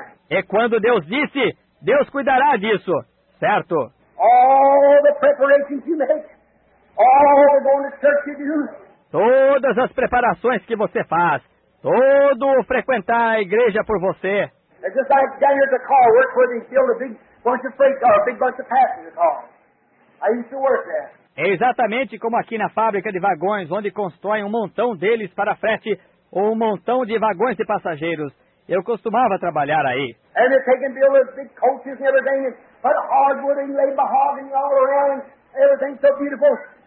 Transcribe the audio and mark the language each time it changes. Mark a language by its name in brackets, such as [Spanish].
[Portuguese] E quando Deus disse, Deus cuidará disso, certo? [English] All the preparations you make, all the going to church you do, [Portuguese] todas as preparações que você faz, todo o frequentar a igreja por você, [English] it's just like Daniel's a car works where they build a big bunch of freight cars, a big bunch of passenger cars. I used to work there. [Portuguese] É exatamente como aqui na fábrica de vagões, onde constroem um montão deles para frete ou um montão de vagões de passageiros. Eu costumava trabalhar aí. [English] And they're taking buildings, big coaches and everything, and put hardwood and lay mahogany all around, everything so beautiful.